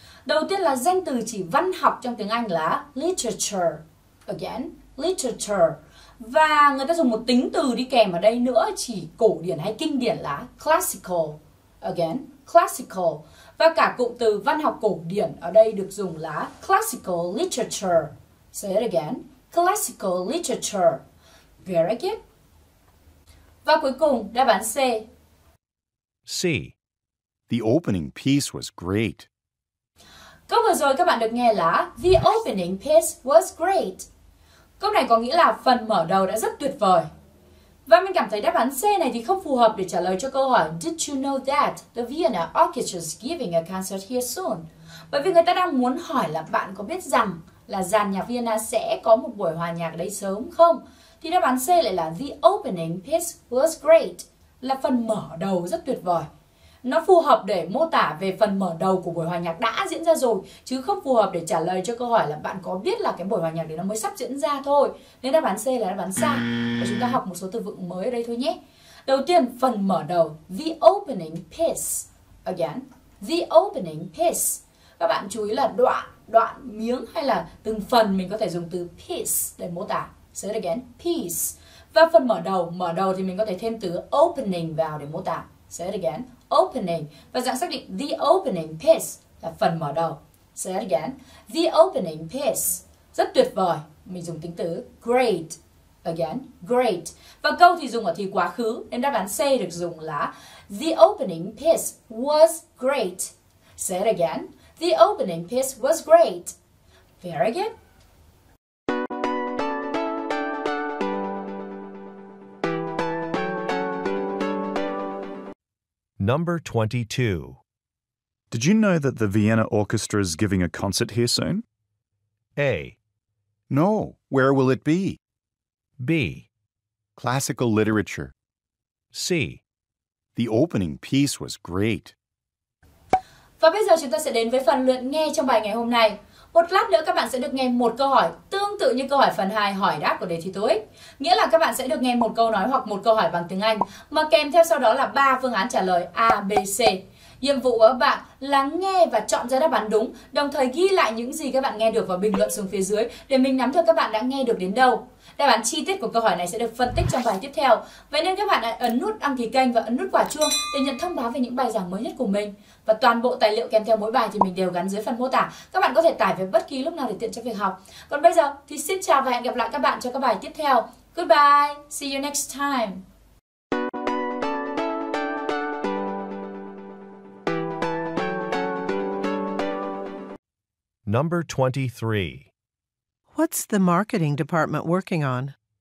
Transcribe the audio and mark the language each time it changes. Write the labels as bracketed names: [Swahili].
[Vietnamese] Đầu tiên là danh từ chỉ văn học trong tiếng Anh là literature. [English] Again, literature. [Vietnamese] Và người ta dùng một tính từ đi kèm ở đây nữa chỉ cổ điển hay kinh điển là classical. [English] Again, classical. [Vietnamese] Và cả cụm từ văn học cổ điển ở đây được dùng là classical literature. [English] Say it again, classical literature. Very good. [Vietnamese] Và cuối cùng, đáp án C. [English] C. The opening piece was great. [Vietnamese] Câu vừa rồi các bạn được nghe là [English] the opening piece was great. [Vietnamese] Câu này có nghĩa là phần mở đầu đã rất tuyệt vời. Và mình cảm thấy đáp án C này thì không phù hợp để trả lời cho câu hỏi [English] did you know that the Vienna Orchestra is giving a concert here soon? [Vietnamese] Bởi vì người ta đang muốn hỏi là bạn có biết rằng là dàn nhạc Vienna sẽ có một buổi hòa nhạc đấy sớm không? Thì đáp án C lại là [English] the opening piece was great, [Vietnamese] là phần mở đầu rất tuyệt vời. Nó phù hợp để mô tả về phần mở đầu của buổi hòa nhạc đã diễn ra rồi, chứ không phù hợp để trả lời cho câu hỏi là bạn có biết là cái buổi hòa nhạc đấy nó mới sắp diễn ra thôi. Nên đáp án C là đáp án sai. Và chúng ta học một số từ vựng mới ở đây thôi nhé. Đầu tiên, phần mở đầu, [English] the opening piece. Again, the opening piece. [Vietnamese] Các bạn chú ý là đoạn miếng hay là từng phần mình có thể dùng từ piece để mô tả. [English] Say it again, piece. [Vietnamese] Và phần mở đầu thì mình có thể thêm từ opening vào để mô tả. [English] Say it again, opening. [Vietnamese] Và dạng xác định [English] the opening piece [Vietnamese] là phần mở đầu. [English] Say it again, the opening piece. [Vietnamese] Rất tuyệt vời. Mình dùng tính từ great. [English] Again, great. [Vietnamese] Và câu thì dùng ở thì quá khứ, nên đáp án C được dùng là [English] the opening piece was great. Say it again. The opening piece was great. Very good. Number 22. Did you know that the Vienna Orchestra is giving a concert here soon? A. No. Where will it be? B. Classical literature. C. The opening piece was great. [Vietnamese] Và bây giờ chúng ta sẽ đến với phần luyện nghe trong bài ngày hôm nay. Một lát nữa các bạn sẽ được nghe một câu hỏi tương tự như câu hỏi phần 2 hỏi đáp của đề thi TOEIC. Nghĩa là các bạn sẽ được nghe một câu nói hoặc một câu hỏi bằng tiếng Anh mà kèm theo sau đó là 3 phương án trả lời A, B, C. Nhiệm vụ của các bạn là nghe và chọn ra đáp án đúng, đồng thời ghi lại những gì các bạn nghe được và bình luận xuống phía dưới để mình nắm được các bạn đã nghe được đến đâu. Đáp án chi tiết của câu hỏi này sẽ được phân tích trong bài tiếp theo. Vậy nên các bạn hãy ấn nút đăng ký kênh và ấn nút quả chuông để nhận thông báo về những bài giảng mới nhất của mình. Và toàn bộ tài liệu kèm theo mỗi bài thì mình đều gắn dưới phần mô tả. Các bạn có thể tải về bất kỳ lúc nào để tiện cho việc học. Còn bây giờ thì xin chào và hẹn gặp lại các bạn cho các bài tiếp theo. [English] Goodbye, see you next time. Number 23. What's the marketing department working on?